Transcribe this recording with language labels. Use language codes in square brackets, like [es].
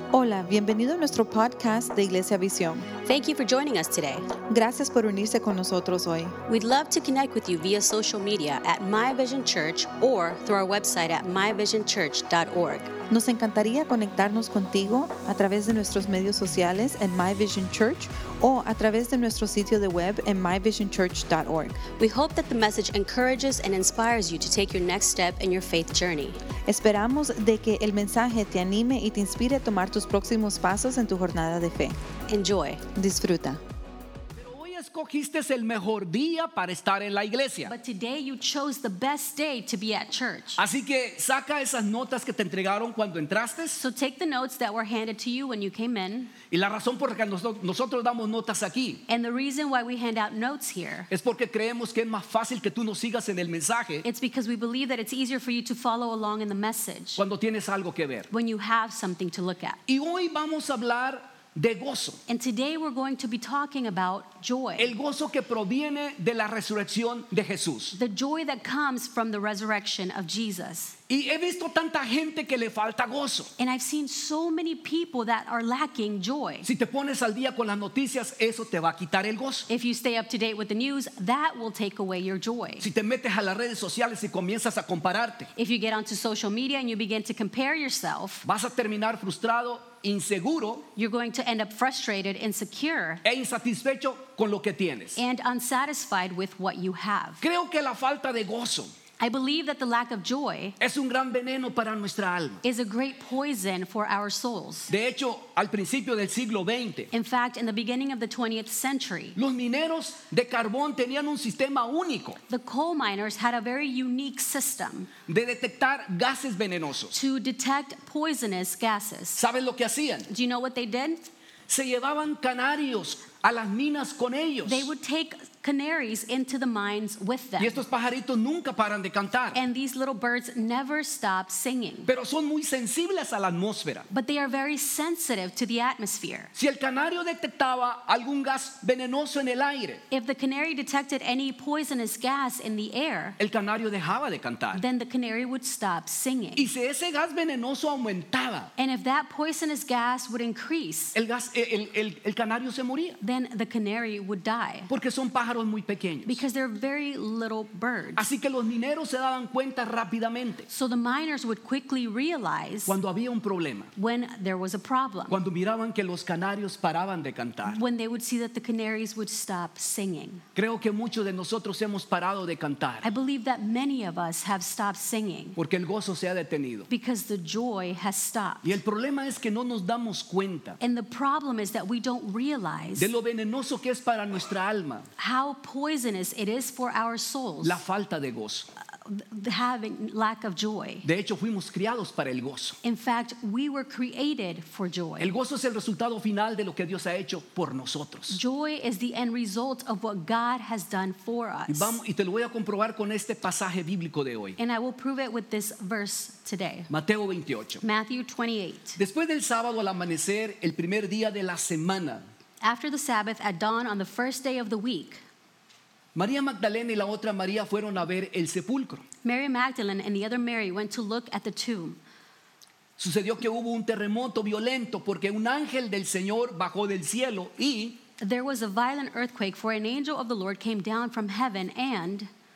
[es] Hola, bienvenido a nuestro podcast de Iglesia Visión. [en] Thank you for joining us today. [es] Gracias por unirse con nosotros hoy. [en] We'd love to connect with you via social media at My Vision Church or through our website at myvisionchurch.org. [es] Nos encantaría conectarnos contigo a través de nuestros medios sociales en My Vision Church o a través de nuestro sitio de web en myvisionchurch.org. [en] We hope that the message encourages and inspires you to take your next step in your faith journey. [es] Esperamos de que el mensaje te anime y te inspire a tomar tus próximos pasos en tu jornada de fe. [en] Enjoy. [es] Disfruta. Escogiste el mejor día para estar en la iglesia. [en] But today you chose the best day to be at church. [es] Así que saca esas notas que te entregaron cuando entraste. [en] So take the notes that were handed to you when you came in. [es] Y la razón por la que nosotros damos notas aquí. [en] And the reason why we hand out notes here. [es] Es porque creemos que es más fácil que tú nos sigas en el mensaje. [en] It's because we believe that it's easier for you to follow along in the message. [es] Cuando tienes algo que ver. [en] When you have something to look at. [es] Y hoy vamos a hablar de gozo. [en] And today we're going to be talking about joy. [es] El gozo que proviene de la resurrección de Jesús. [en] The joy that comes from the resurrection of Jesus. [es] Y he visto tanta gente que le falta gozo. [en] And I've seen so many people that are lacking joy. [es] Si te pones al día con las noticias, eso te va a quitar el gozo. [en] If you stay up to date with the news, that will take away your joy. [es] Si te metes a las redes sociales y comienzas a compararte, [en] if you get onto social media and you begin to compare yourself, [es] vas a terminar frustrado, inseguro, [en] you're going to end up frustrated, insecure, [es] e insatisfecho con lo que tienes, [en] and unsatisfied with what you have. [es] Creo que la falta de gozo, [en] I believe that the lack of joy, [es] es un gran veneno para nuestra alma, [en] is a great poison for our souls. [es] De hecho, al principio del siglo XX, [en] in fact, in the beginning of the 20th century, [es] los mineros de carbón tenían un sistema único, [en] the coal miners had a very unique system, [es] de detectar gases venenosos, [en] to detect poisonous gases. [es] ¿Saben lo que hacían? [en] Do you know what they did? [es] Se llevaban canarios a las minas con ellos. [en] They would take canaries into the mines with them. [es] Y estos pajaritos nunca paran de cantar. [en] And these little birds never stop singing. [es] Pero son muy sensibles a la atmósfera. [en] But they are very sensitive to the atmosphere. [es] Si el canario detectaba algún gas venenoso en el aire, [en] if the canary detected any poisonous gas in the air, [es] el canario dejaba de cantar. [en] Then the canary would stop singing. [es] Y si ese gas venenoso aumentaba, [en] and if that poisonous gas would increase, [es] el canario se moría. [en] Then the canary would die. [es] Porque son pájaros muy pequeños. [en] Because they're very little birds. [es] Así que los mineros se daban cuenta rápidamente. [en] So the miners would quickly realize [es] cuando había un problema. [en] When there was a problem. [es] Cuando miraban que los canarios paraban de cantar. [en] When they would see that the canaries would stop singing. [es] Creo que muchos de nosotros hemos parado de cantar. [en] I believe that many of us have stopped singing. [es] Porque el gozo se ha detenido. [en] Because the joy has stopped. [es] Y el problema es que no nos damos cuenta. [en] And the problem is that we don't realize [es] de lo venenoso que es para nuestra alma. [en] How poisonous it is for our souls. [es] La falta de gozo. [en] Having lack of joy. [es] De hecho, fuimos criados para el gozo. [en] In fact, we were created for joy. [es] El gozo es el resultado final de lo que Dios ha hecho por nosotros. [en] Joy is the end result of what God has done for us. [es] Y te lo voy a comprobar con este pasaje bíblico de hoy. [en] And I will prove it with this verse today. [es] Mateo 28. [en] Matthew 28. [es] Después del sábado al amanecer, el primer día de la semana. [en] After the Sabbath, at dawn on the first day of the week, [es] María Magdalena y la otra María fueron a ver el sepulcro. [en] Mary Magdalene and the other Mary went to look at the tomb. [es] Sucedió que hubo un terremoto violento porque un ángel del Señor bajó del cielo y [en] there was a violent earthquake, for an angel of the Lord came down from heaven and